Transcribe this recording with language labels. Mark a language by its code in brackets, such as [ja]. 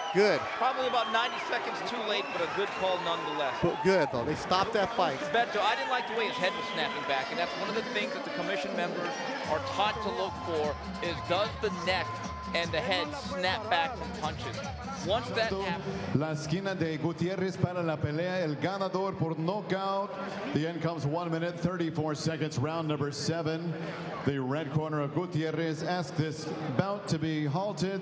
[en] Good. Probably about 90 seconds too late, but a good call nonetheless. But good, though. They stopped that fight. Beto, I didn't like the way his head was snapping back, and that's one of the things that the commission members are taught to look for is does the neck and the head snap back from punches. Once that happens. [es] La esquina de Gutierrez para la pelea, el ganador por knockout. [en] The end comes 1 minute, 34 seconds, round number 7. The red corner of Gutierrez asks this bout to be halted.